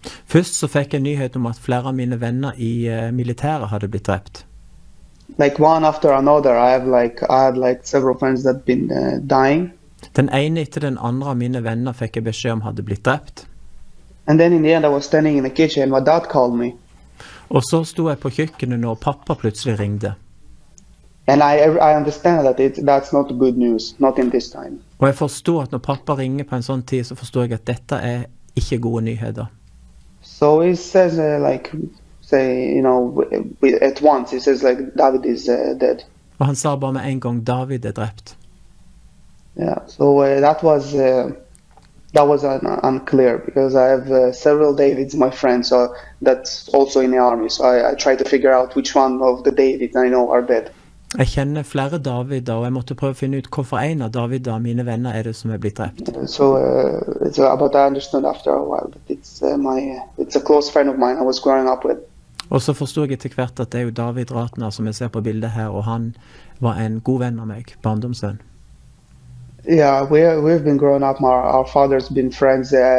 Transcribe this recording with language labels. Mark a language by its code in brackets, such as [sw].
[no] Først så fikk jeg nyhet om at flere av mine venner I militæret hadde blitt drept. [en] Like one after another, I had several friends that been dying. [no] Den ene etter den andre av mine venner fikk jeg beskjed om hadde blitt drept. [en] And then in the end I was standing in the kitchen and my dad called me. [no] Og så sto jeg på kjøkkenet når pappa plutselig ringde. [en] And I understand that that's not good news, not in this time. [no] Og jeg forstod at når pappa ringer på en sånn tid, så forstod jeg at dette ikke gode nyheter. [en] So he says at once, he says like David is dead. [no] Og han sa bare med en gang, David drept. [en] Yeah, so that was unclear, because I have several Davids, my friend, so that's also in the army. So I try to figure out which one of the Davids I know are dead. [no] Jeg kjenner flere Davider, og jeg måtte prøve å finne ut hvorfor en av Davider, mine venner, det som blitt drept. [en] So, but I understood after a while that it's a close friend of mine I was growing up with. [no] Og så forstod jeg etter hvert at det David Ratner som jeg ser på bildet her, og han var en god venn av meg, barndomsønn. [en] Yeah, we've been growing up, our father's been friends.